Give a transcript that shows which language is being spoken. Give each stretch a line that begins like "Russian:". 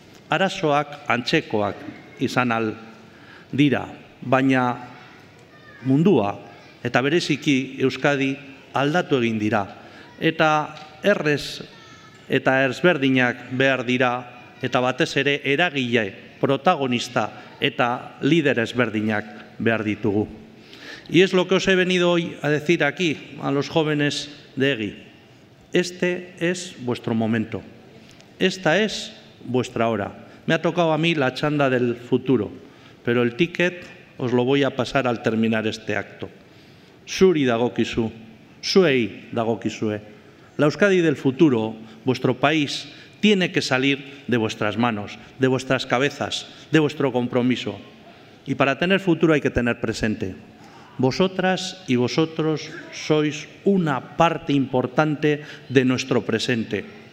Basque: Arazoak antzekoak izan al dira, baina mundua eta bereziki Euskadi aldatu egin dira. Eta errez eta ezberdinak behar dira, eta batez ere eragile, protagonista eta lider ezberdinak behar ditugu.
Spanish: Y es lo que os he venido hoy a decir aquí a los jóvenes de EGI. Este es vuestro momento. Esta es vuestra hora. Me ha tocado a mí la chanda del futuro, pero el ticket os lo voy a pasar al terminar este acto.
Basque: Zuri dagokizu, zuei dagokizue.
Spanish: La Euskadi del futuro, vuestro país, tiene que salir de vuestras manos, de vuestras cabezas, de vuestro compromiso. Y para tener futuro hay que tener presente. Vosotras y vosotros sois una parte importante de nuestro presente.